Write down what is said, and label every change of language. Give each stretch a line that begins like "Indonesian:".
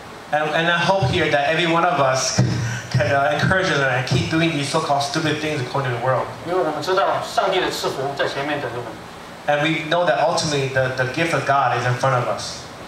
English: And I hope here that every one of us can encourage them and keep doing these so-called stupid things according to the world.
Chinese: 因为我们知道上帝的赐福在前面等着我们。
English: And we know that ultimately the gift of God is in front of us.